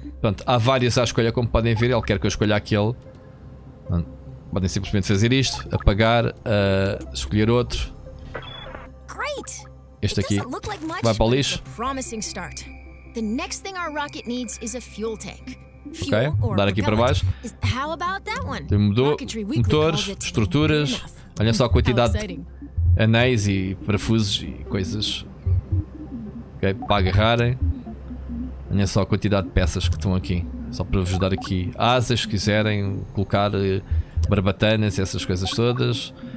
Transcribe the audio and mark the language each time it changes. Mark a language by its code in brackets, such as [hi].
[pt] Pronto, há várias à escolha, como podem ver. Ele quer que eu escolha aquele. Podem simplesmente fazer isto, apagar, escolher outro. [en] Great. [pt] Este aqui like much, vai para o lixo. [en] Promising start. The next thing our rocket needs is a fuel tank. [pt] Ok, dar aqui para baixo. Temos motores, estruturas, Olha só a quantidade de anéis e parafusos e coisas. Okay, para agarrarem. Olha só a quantidade de peças que estão aqui. Só para vos dar aqui asas, se quiserem colocar barbatanas e essas coisas todas.